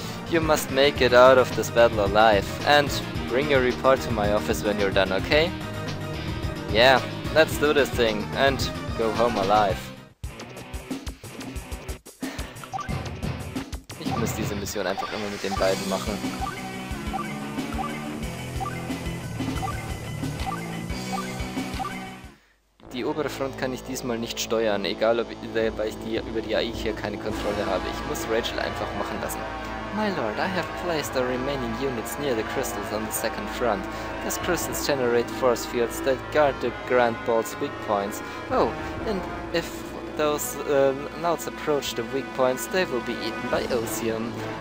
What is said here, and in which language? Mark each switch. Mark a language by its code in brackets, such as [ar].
[en] You must make it out of this battle alive, and bring your report to my office when you're done, okay? Yeah, let's do this thing, and go home alive. [de] Ich muss diese Mission einfach immer mit den beiden machen. Die obere Front kann ich diesmal nicht steuern, egal ob weil ich über die AI hier keine Kontrolle habe. Ich muss Rachel einfach machen lassen. [en] My lord, I have placed the remaining units near the crystals on the second front. These crystals generate force fields that guard the Grand Ball's weak points. Oh, and if those knouts approach the weak points, they will be eaten by Osium.